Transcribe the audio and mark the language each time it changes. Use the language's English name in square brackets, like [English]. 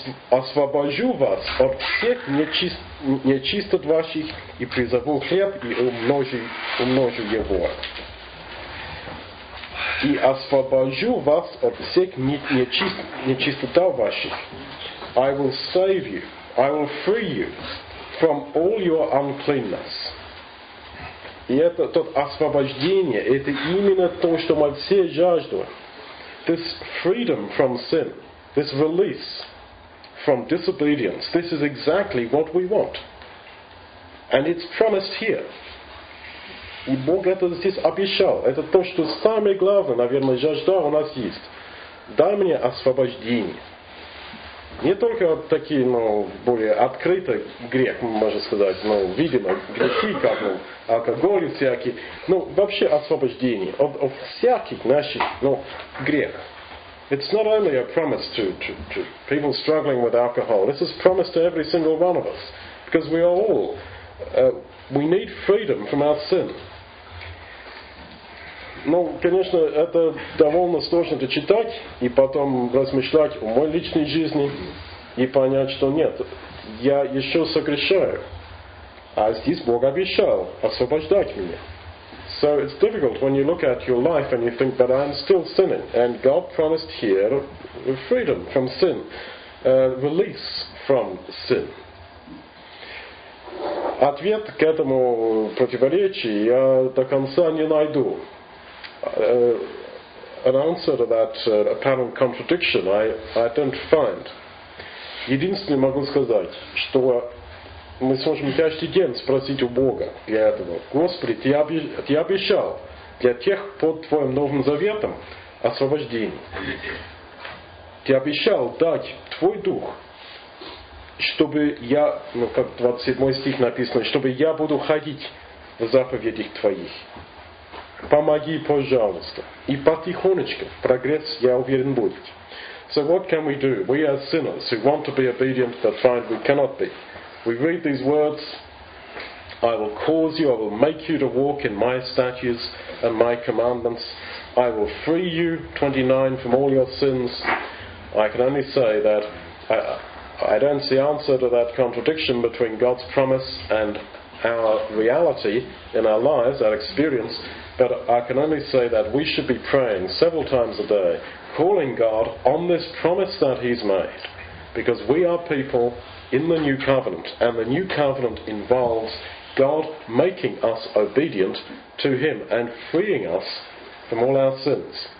[Russian] Освобожу вас от всех нечистот ваших и призову хлеб и умножу его. И освобожу вас от всех нечистота ваших. [English] I will save you. I will free you from all your uncleanness. [Russian] И это тот освобождение, это именно то, что мы все жаждем. [English] This freedom from sin, this release from disobedience. This is exactly what we want. And it's promised here. [Russian] И Бог это здесь обещал. Это то, что самое главное, наверное, жажда у нас есть. Дай мне освобождение. Не только вот такие, ну, более открытые грех, можно сказать, ну, видимо, грехи, как, ну, алкоголь всякий. Ну, вообще освобождение от всяких наших, ну, грехов. [English] It's not only a promise to people struggling with alcohol. This is promised to every single one of us. Because we are all, we need freedom from our sin. [Russian] Ну, конечно, это довольно сложно читать и потом размышлять о моей личной жизни и понять, что нет, я еще согрешаю. А здесь Бог обещал освобождать меня. [English] So it's difficult when you look at your life and you think that I'm still sinning. And God promised here freedom from sin, release from sin. [Russian] Ответ к этому противоречию я до конца не найду. [English] An answer to that apparent contradiction I don't find. [Russian] Единственное могу сказать, что мы сможем каждый день спросить у Бога для этого. Господи, ты обещал для тех под Твоим Новым Заветом освобождение. Ты обещал дать Твой Дух, чтобы я, ну как 27 стих написано, чтобы я буду ходить в заповедях Твоих. Помоги, пожалуйста. И потихонечку прогресс, я уверен, будет. [English] So what can we do? We are sinners who want to be obedient, but find we cannot be. We read these words, I will cause you, I will make you to walk in my statutes and my commandments. I will free you, 29, from all your sins. I can only say that I don't see answer to that contradiction between God's promise and our reality in our lives, our experience, but I can only say that we should be praying several times a day, calling God on this promise that he's made, because we are people in the new covenant, and the new covenant involves God making us obedient to him and freeing us from all our sins.